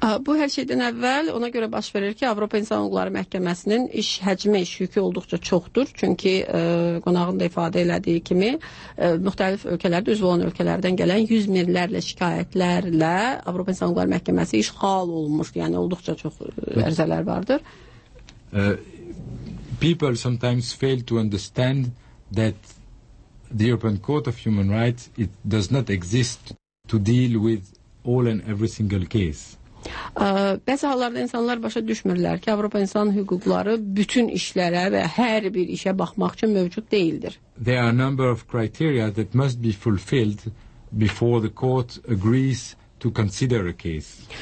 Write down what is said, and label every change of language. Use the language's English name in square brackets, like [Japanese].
[Azerbaijani] Bu hər şeydən əvvəl ona görə baş verir ki, Avropa İnsan Hüquqları Məhkəməsinin iş həcmi, iş yükü olduqca çoxdur. Çünki qonağın da ifadə elədiyi kimi müxtəlif ölkələrdə, üzv olan ölkələrdən gələn yüz minlərlə şikayətlərlə Avropa İnsan Hüquqları Məhkəməsi iş xal olmuş. Yəni olduqca çox ərizələr vardır. [English] People sometimes fail to understand that the European Court of Human Rights, it does not exist to deal with all and every single case. [Azerbaijani] Bəzi hallarda insanlar başa düşmürlər ki, Avropa İnsan Hüquqları bütün işlərə və hər bir işə baxmaq üçün mövcud deyildir. [English] There are a number of criteria that must be fulfilled before the court agrees to consider a case.